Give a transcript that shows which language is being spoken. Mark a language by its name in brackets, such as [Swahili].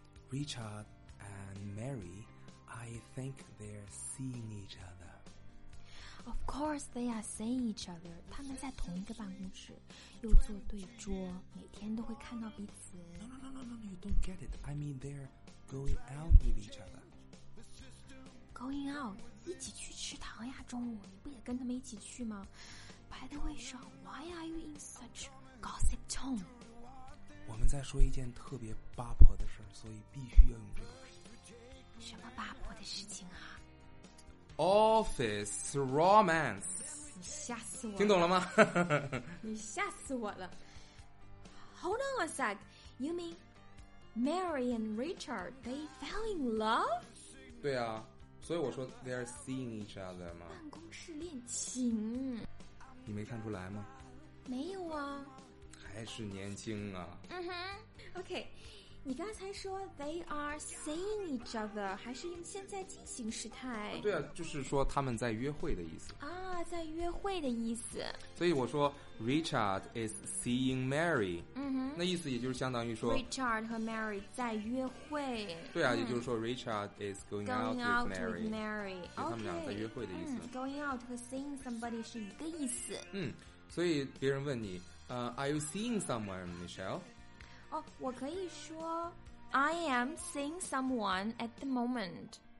[English] Richard and Mary, I think they're seeing each other. Of course, they are seeing each other. [Chinese] 他们在同一个办公室，又坐对桌，每天都会看到彼此。 [English] No, you don't get it. I mean, they're going out with each other. Going out? [Chinese] 一起去吃糖呀，中午，你不也跟他们一起去吗？ [English] By the way, Sean, why are you in such gossip tone? [Chinese] 我们在说一件特别八婆的事，所以必须要用这个。什么八婆的事情啊？ [English] Office romance。 [Chinese] 你吓死我了。听懂了吗？你吓死我了。 [English] Hold on a sec. You mean Mary and Richard, they fell in love? [Chinese] 对啊，所以我说 [English] they are seeing each other [Chinese] 吗？办公室恋情。你没看出来吗？没有啊，还是年轻啊。嗯哼 ，OK， 你刚才说 [English] they are seeing each other， [Chinese] 还是用现在进行时态？啊对啊，就是说他们在约会的意思啊，在约会的意思。所以我说 [English] Richard is seeing Mary。嗯哼， [Chinese] 那意思也就是相当于说 Richard 和 Mary 在约会。对啊，也就是说 [English] Richard is going out with Mary 。 [Chinese] 他们俩在约会的意思。 [English] Okay, going out 和 seeing somebody [Chinese] 是一个意思。 [English] 嗯。 [Chinese] 所以别人问你 [English] are you seeing someone, Michelle? 哦、oh, [Chinese] 我可以说 [English] I am seeing someone at the moment.